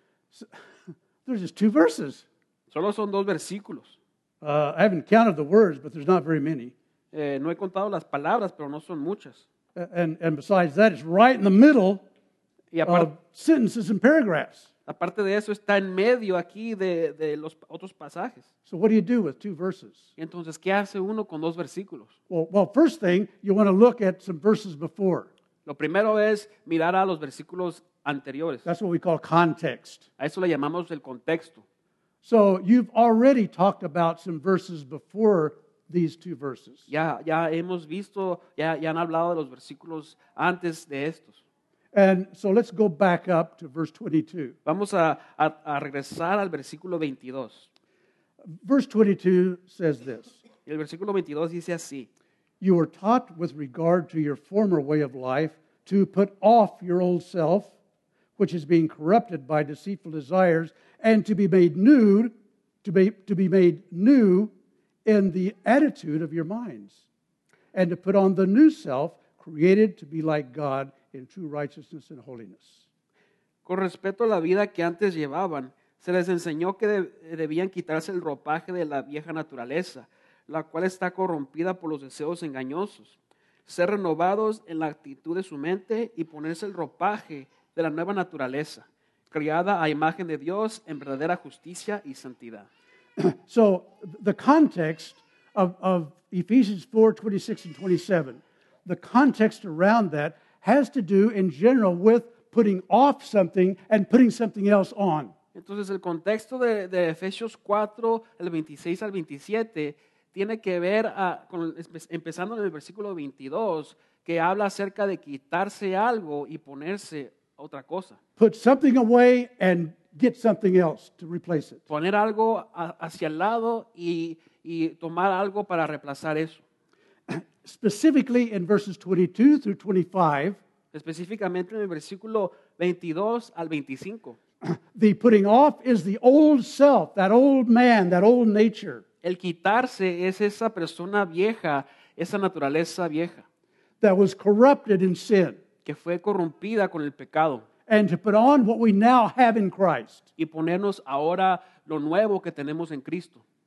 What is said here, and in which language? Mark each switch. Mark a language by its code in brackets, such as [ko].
[en] So, there's just two verses. [es] Solo son dos versículos. [en] I haven't counted the words, but there's not very many. [es] No he contado las palabras, pero no son muchas. [en] And besides that, it's right in the middle of sentences and paragraphs. [es] Aparte de eso, está en medio aquí de los otros pasajes. [en] So what do you do with two verses? [es] Entonces, ¿qué hace uno con dos versículos? [en] Well, first thing, you want to look at some verses before. [es] Lo primero es mirar a los versículos anteriores. [en] That's what we call context. [es] A eso le llamamos el contexto. [en] So you've already talked about some verses before these two verses. [es] Ya hemos visto, ya han hablado de los versículos antes de estos. [en] And so let's go back up to verse 22. [es] Vamos a regresar al versículo 22. [en] Verse 22 says this. [es] El versículo 22 dice así. [en] You were taught with regard to your former way of life to put off your old self, which is being corrupted by deceitful desires, and to be made new, to be made new in the attitude of your minds, and to put on the new self created to be like God in true righteousness and holiness. [es] Con respecto a la vida que antes llevaban, se les enseñó que debían quitarse el ropaje de la vieja naturaleza, la cual está corrompida por los deseos engañosos, ser renovados en la actitud de su mente y ponerse el ropaje de la nueva naturaleza, creada a imagen de Dios en verdadera justicia y santidad. [en] So, the context of Ephesians 4, 26 and 27, the context around that has to do in general with putting off something and putting something else on. [es] Entonces, el contexto de Efesios 4, el 26 al 27, tiene que ver empezando en el versículo 22, que habla acerca de quitarse algo y ponerse otra cosa. [en] Put something away and get something else to replace it. [es] Poner algo hacia el lado y tomar algo para reemplazar eso. [en] Specifically in verses 22 through 25. [es] Específicamente en el versículo 22 al 25. [en] The putting off is the old self, that old man, that old nature. [es] El quitarse es esa persona vieja, esa naturaleza vieja. [en] That was corrupted in sin. [es] Que fue corrompida con el pecado. [en] And to put on what we now have in Christ. [es] Y ponernos ahora lo nuevo que tenemos en Cristo.